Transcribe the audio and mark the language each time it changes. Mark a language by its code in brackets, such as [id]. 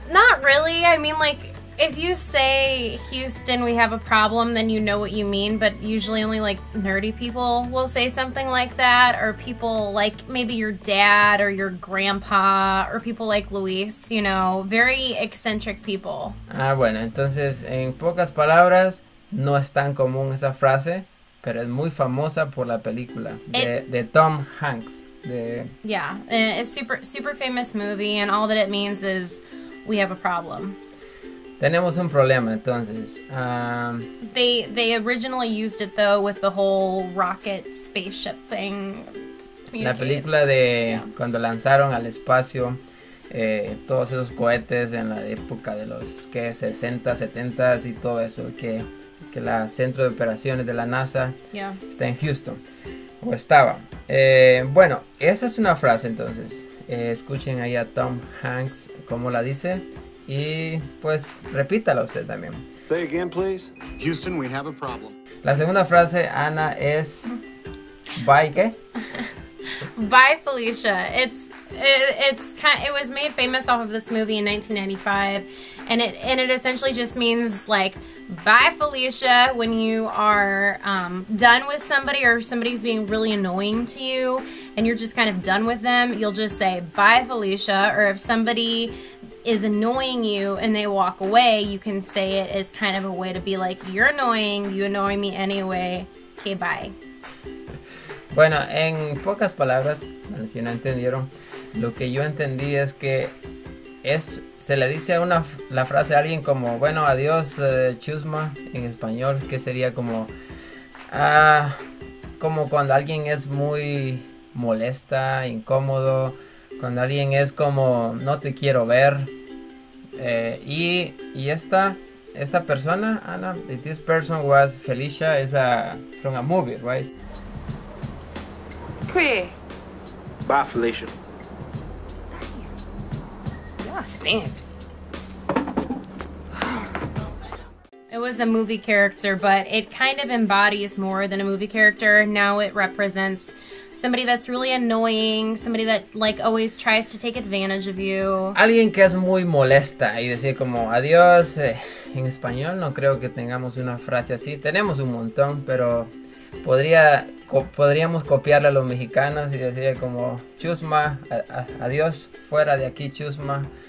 [en] Not really. I mean, like, if you say, Houston, we have a problem, then you know what you mean. But usually only, like, nerdy people will say something like that. Or people like maybe your dad or your grandpa or people like Luis, you know. Very eccentric people. [es] Ah, bueno. Entonces, en pocas palabras, no es tan común esa frase. Pero es muy famosa por la película de Tom Hanks. De... [en] Yeah, it's super, super famous movie. And all that it means is we have a problem. [es] Tenemos un problema, entonces. [en] They originally used it, though, with the whole rocket spaceship thing. [es] La película de cuando lanzaron al espacio todos esos cohetes en la época de los, ¿qué? 60, 70 y todo eso. Que la centro de operaciones de la NASA está en Houston. O estaba. Bueno, esa es una frase, entonces. Escuchen ahí a Tom Hanks cómo la dice. Y pues repítala usted también. [en] Say again, please. Houston, we have a problem. [es] La segunda frase, Ana, es bye qué? [en] Bye Felicia. It was made famous off of this movie in 1995, and it essentially just means like bye Felicia when you are done with somebody or somebody's being really annoying to you and you're just kind of done with them, you'll just say bye Felicia. Or if somebody is annoying you and they walk away, you can say it as kind of a way to be like, you're annoying, you annoy me anyway, okay, bye. [es] Bueno, en pocas palabras, si no entendieron, lo que yo entendí es que es, se le dice a una la frase a alguien como, bueno, adiós, chusma, en español, que sería como, como cuando alguien es muy molesta, incómodo. Cuando alguien es como, no te quiero ver. Y esta persona, [en] Ana, this person was Felicia, is from a movie, right? Queer. Bye, Felicia. It was a movie character, but it kind of embodies more than a movie character. Now it represents somebody that's really annoying, somebody that like always tries to take advantage of you. [es] Alguien que es muy molesta y decir como adiós en español, no creo que tengamos una frase así. Tenemos un montón, pero podríamos copiarla a los mexicanos y decir como chusma, adiós, fuera de aquí chusma.